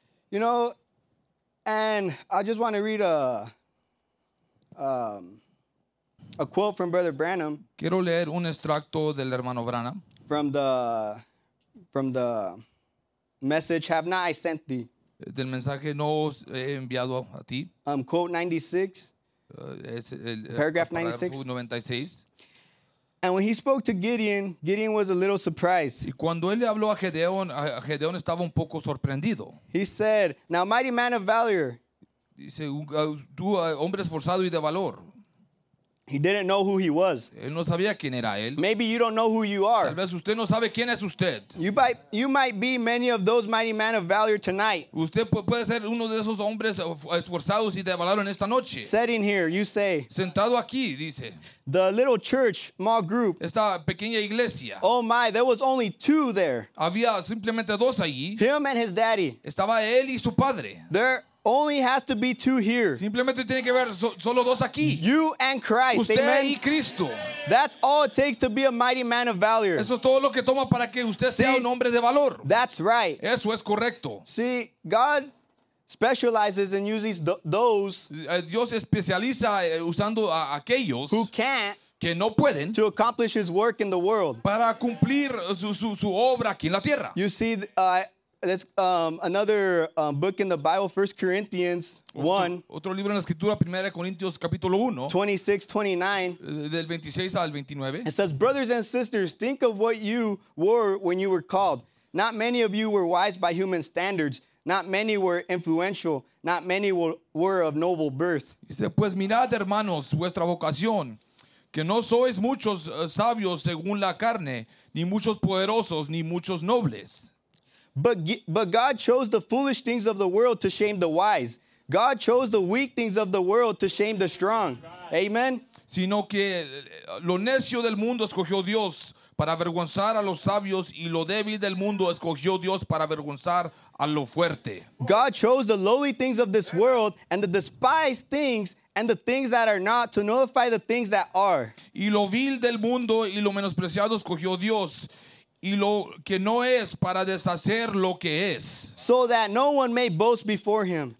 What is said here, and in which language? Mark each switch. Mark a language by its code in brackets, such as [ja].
[en] You know, and I just want to read a quote from Brother Branham. [es] Quiero leer un extracto del hermano Branham. [en] From the message, have not I sent thee? [es] Del mensaje no os he enviado a ti. [en] Quote 96. Paragraph 96. And when he spoke to Gideon, Gideon was a little surprised. [es] Y cuando él le habló a Gedeón, Gedeón estaba un poco sorprendido. [en] He said, "Now, mighty man of valor." [es] Dice, tú hombre esforzado y de valor. [en] He didn't know who he was. [es] Él no sabía quién era él. [en] Maybe you don't know who you are. [es] Tal vez usted no sabe quién es usted. [en] You might be many of those mighty men of valor tonight. [es] Usted puede ser uno de esos hombres esforzados y de valor en esta noche. [en] Sitting here, you say. [es] Sentado aquí, dice. [en] The little church, small group. [es] Esta pequeña iglesia. [en] Oh my, there was only two there. [es] Había simplemente dos allí. [en] Him and his daddy. [es] Estaba él y su padre. [en] There only has to be two here. [es] Simplemente tiene que haber solo dos aquí. [en] You and Christ. [es] Usted [en] amen. [es] Y Cristo. [en] That's all it takes to be a mighty man of valor. [es] Eso es todo lo que toma para que usted [en] See, [es] sea un hombre de valor. [en] That's right. [es] Eso es correcto. [en] See, God specializes and uses those [es] Dios especializa usando a aquellos [en] who can't [es] que no pueden [en] to accomplish his work in the world. [es] Para cumplir su obra aquí en la tierra. [en] You see, there's another book in the Bible, 1 Corinthians 1. [es] Otro libro en la escritura, 1 Corintios capítulo 1. [en] 26-29. [es] Del 26 al 29. [en] It says, brothers and sisters, think of what you were when you were called. Not many of you were wise by human standards. Not many were influential. Not many were of noble birth. [es] Dice, pues mirad, hermanos, vuestra vocación, que no sois muchos sabios según la carne, ni muchos poderosos, ni muchos nobles. [en] But God chose the foolish things of the world to shame the wise. God chose the weak things of the world to shame the strong. Amen. [es] Sino que lo necio del mundo escogió Dios para avergonzar a los sabios, y lo débil del mundo escogió Dios para avergonzar a lo fuerte. [en] God chose the lowly things of this world and the despised things and the things that are not to nullify the things that are. [es] Y lo vil del mundo y lo menospreciado escogió Dios. Y lo que no es para deshacer lo que es. [en] So that no one may boast before him.